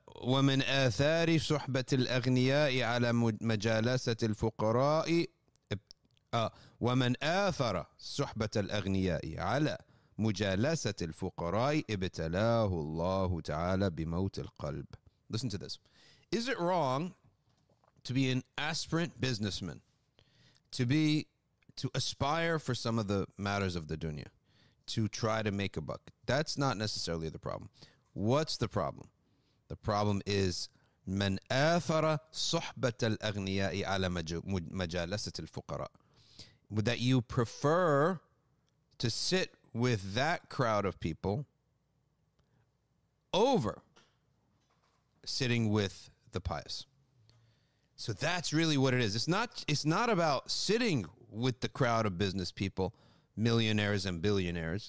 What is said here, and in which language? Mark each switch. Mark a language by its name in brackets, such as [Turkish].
[Arabic] وَمِنْ آثَارِ صُحْبَةِ الْأَغْنِيَاءِ عَلَى مَجَالَسَةِ الْفُقَرَاءِ وَمَنْ آثَرَ صُحْبَةَ الْأَغْنِيَاءِ عَلَى مُجَالَسَةِ الْفُقَرَاءِ ابْتَلَاهُ اللَّهُ تَعَالَى بِمَوْتِ الْقَلْبِ. [English] Listen to this. Is it wrong to be an aspirant businessman, to aspire for some of the matters of the dunya, to try to make a buck? That's not necessarily the problem. What's the problem? The problem is [Arabic] من آثر صحبة الأغنياء على مجالسة الفقراء. [English] That you prefer to sit with that crowd of people over sitting with the pious. So that's really what it is. It's not about sitting with the crowd of business people, millionaires and billionaires.